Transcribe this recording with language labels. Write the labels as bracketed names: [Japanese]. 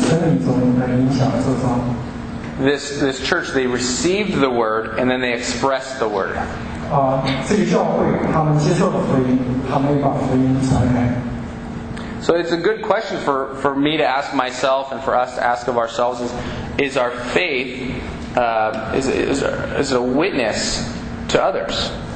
[Chinese] 这也是福音，它可以从我们的生命中来影响受伤。 [English] This church, they received the word and then they expressed the word. [Chinese] 这个教会，他们接受了福音，他们也把福音传开。 [English] So it's a good question for me to ask myself and for us to ask of ourselves is our faith is a witness to others?